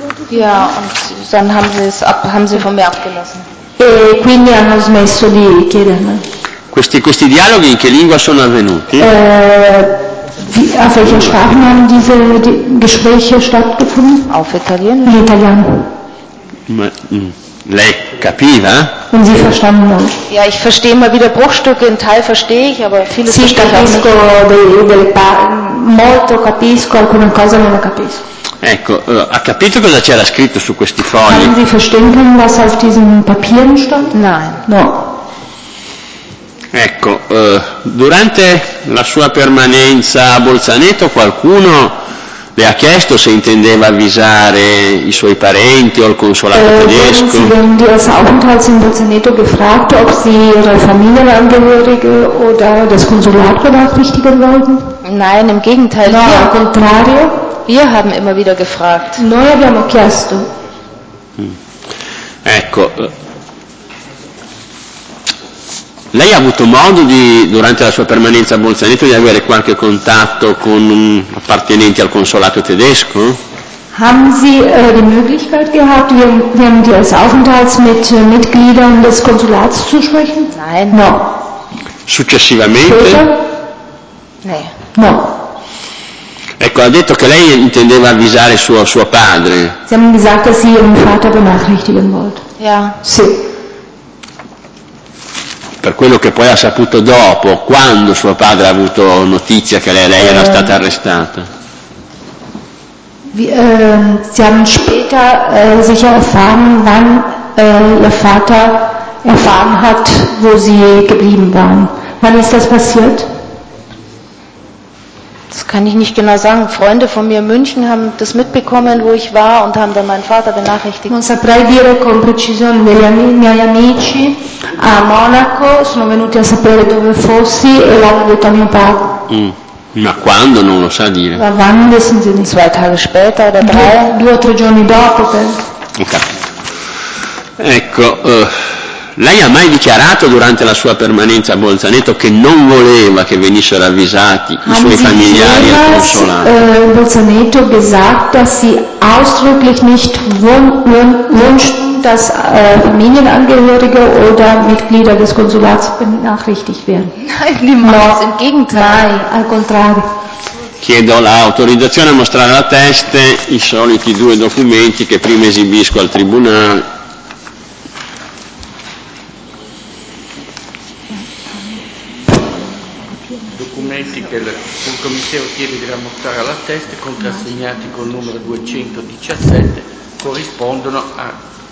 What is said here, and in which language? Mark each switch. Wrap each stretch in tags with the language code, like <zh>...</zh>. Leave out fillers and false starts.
<de>Ja, und dann haben sie es von mir abgelassen.</de> <it>E quindi hanno smesso di chiedermi. Questi dialoghi in che lingua sono avvenuti?</it> <de>Auf welcher Sprache haben diese Gespräche stattgefunden? Auf Italien. In Italien.</de> <it>Lei capiva?</it> <de>Und Sie verstanden</de> <it>non?</it> <de>Ja, ich verstehe immer wieder Bruchstücke, in Teil verstehe ich, aber vieles</de> <it>sì,</it> <de>verstehe ich auch nicht.</de> <it>Molto capisco, alcune cose non le capisco. Ecco, ha capito cosa c'era scritto su questi fogli?</it> <de>Haben Sie verstanden, was auf diesen Papieren stand? Nein.</de> <it>No. Ecco, durante la sua permanenza a Bolzaneto qualcuno le ha chiesto se intendeva avvisare i suoi parenti o il consolato tedesco?</it> <de>Während ihres Aufenthalts in Bolzaneto gefragt, ob sie ihre Familienangehörige oder das Konsulat benachrichtigen wollten? Nein, im Gegenteil.</de> <it>No, al contrario.</it> <de>Wir haben immer wieder gefragt.</de> <it>Noi abbiamo chiesto. Ecco. Lei ha avuto modo di, durante la sua permanenza a Bolzaneto, di avere qualche contatto con appartenenti al consolato tedesco?</it> <de>Haben Sie die Möglichkeit gehabt, während Ihres Aufenthalts mit Mitgliedern des Konsulats zu sprechen? Nein. No.</de> <it>Successivamente?</it> <de>Nein.</de> <it>No. Ecco, ha detto che lei intendeva avvisare suo padre.</it> <de>Sie haben gesagt, dass Sie Ihren Vater benachrichtigen wollten. Ja.</de> <it>Sì. Per quello che poi ha saputo dopo, quando suo padre ha avuto notizia che lei era stata arrestata.</it> <de>Sie haben später sicher erfahren, wann ihr Vater erfahren hat, wo sie geblieben waren. Wann ist das passiert? Das kann ich nicht genau sagen. Freunde von mir in München haben das mitbekommen, wo ich war und haben dann meinen Vater benachrichtigt.</de> <it>Non saprei dire con precisione, degli miei amici a Monaco sono venuti a sapere dove fossi e l'hanno detto a mio padre. Ma quando non lo sa dire?</it> <de>Ma wann wissen Sie nicht? Zwei Tage später oder drei?</de> <it>Due o tre giorni dopo. Ecco. Lei ha mai dichiarato durante la sua permanenza a Bolzaneto che non voleva che venissero avvisati i suoi familiari al consolato?</it> <de>Bolzaneto gesagt, dass sie ausdrücklich nicht wünschten, dass Familienangehörige oder Mitglieder des Konsulats benachrichtigt werden. Nein, niemals, im Gegenteil,</de> <it>al contrario. Chiedo l'autorizzazione a mostrare la testa, i soliti due documenti che prima esibisco al tribunale. un commissario chiede di rammortare la testa, contrassegnati col numero 217 corrispondono a</it>